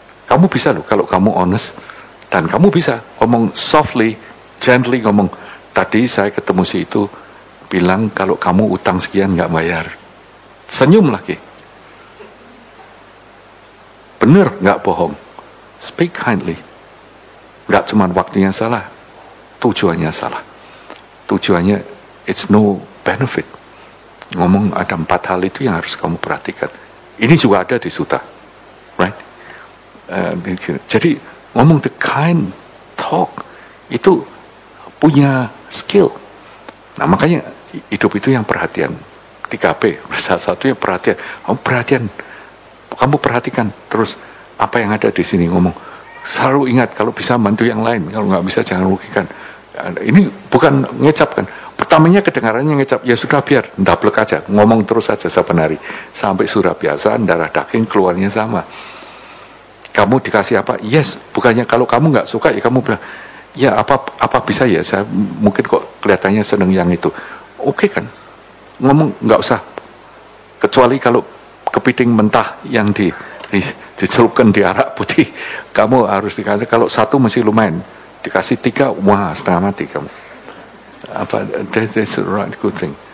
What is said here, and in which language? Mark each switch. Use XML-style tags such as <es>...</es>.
<id>Kamu bisa loh, kalau kamu honest, dan kamu bisa ngomong</id> <en>softly, gently</en> <id>ngomong, tadi saya ketemu si itu, bilang kalau kamu utang sekian, enggak bayar. Senyum lagi. Benar, enggak bohong.</id> <en>Speak kindly.</en> <id>Enggak cuma waktunya salah, tujuannya salah. Tujuannya,</id> <en>it's no benefit.</en> <id>Ngomong ada empat hal itu yang harus kamu perhatikan. Ini juga ada di Sutta.</id> <en>Right?</en> <id>Jadi, ngomong</id> <en>the kind talk</en> <id>itu punya skill. Nah, makanya hidup itu yang perhatian. 3P, salah satunya perhatian. Kamu perhatian, kamu perhatikan terus apa yang ada di sini ngomong. Selalu ingat, kalau bisa bantu yang lain, kalau nggak bisa jangan rugikan. Ini bukan ngecap kan. Pertamanya kedengarannya ngecap, ya sudah biar, ndablek aja, ngomong terus aja saban hari. Sampai sudah biasa, darah daging keluarnya sama. Kamu dikasih apa?</id> <en>Yes,</en> <id>bukannya kalau kamu nggak suka, ya kamu bilang, ya apa bisa ya, saya mungkin kok kelihatannya seneng yang itu. Oke kan, ngomong nggak usah. Kecuali kalau kepiting mentah yang dicelupkan di arak putih, kamu harus dikasih, kalau satu masih lumayan, dikasih tiga, wah setengah mati kamu. Apa,</id> <en>that's a right good thing.</en>